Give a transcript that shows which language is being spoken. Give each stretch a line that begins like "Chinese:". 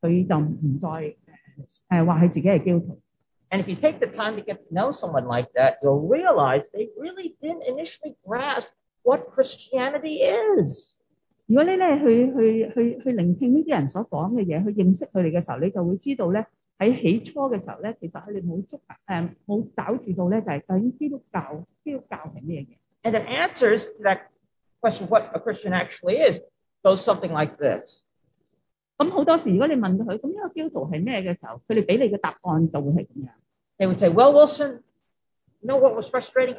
Chinese: 不知道你有没有跟过一些曾经是基督徒的人聊天，即是说他以前说他是信耶稣的，但是现在他就不再说他自己是基督徒。
English: And if you take the time to get to know someone like that, you'll realize they really didn't initially grasp what Christianity is.
Chinese: 如果你去聆听这些人所说的东西，去认识他们的时候，你就会知道，在起初的时候，其实他们没有搞清楚究竟基督教是什么。
English: And the answers to that question, what a Christian actually is, goes something like this.
Chinese: 很多时候如果你问他，这个基督徒是什么的时候，他们给你的答案就会是这样。
English: They would say, well, Wilson, you know what was frustrating?